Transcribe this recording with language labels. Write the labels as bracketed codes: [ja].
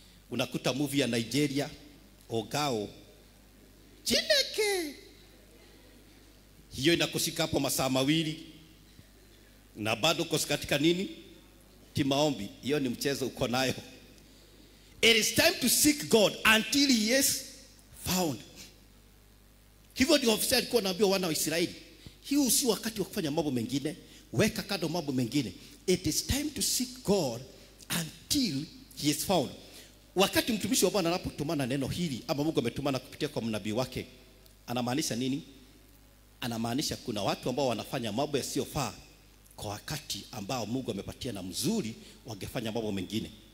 [sw] Unakuta movie ya Nigeria Ogao. Chineke. Hiyo inakushika hapo masaa mawili. Na bado uko katika nini? Maombi, hiyo ni mchezo uko nayo. [en] It is time to seek God until he is found. [sw] Hivyo ndio ofisari kwa naambia wana wa Israeli. Hii si wakati wa kufanya mambo mengine, weka kando mambo mengine. [en] It is time to seek God until he is found. [sw] Wakati mtumishi wa Bwana anapotumana neno hili ama Mungu ametumana kupitia kwa mnabii wake, anamaanisha nini? Anamaanisha kuna watu ambao wanafanya mambo yasiyofaa kwa wakati ambao Mungu amepatia na mzuri wangefanya mambo mengine.